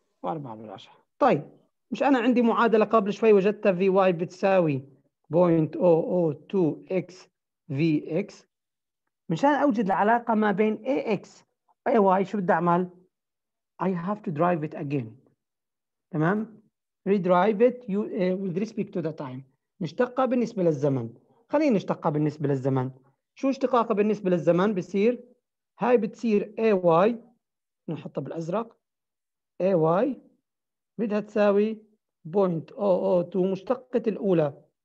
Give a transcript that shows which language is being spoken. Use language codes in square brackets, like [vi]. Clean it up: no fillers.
[ar] واربعة بالعشرة. طيب مش أنا عندي معادلة قبل شوي وجدتها في واي بتساوي 0.002x في x، مشان أوجد العلاقة ما بين ax واي شو بدي أعمل؟ [en] I have to drive it again. [ar] تمام؟ [en] redrive it with respect to the time. [ar] نشتقها بالنسبة للزمن. خلينا نشتقها بالنسبة للزمن. شو اشتقاقها بالنسبة للزمن؟ بصير هاي بتصير اي واي، نحطها بالأزرق، اي واي بدها تساوي 0.002 مشتقة الأولى.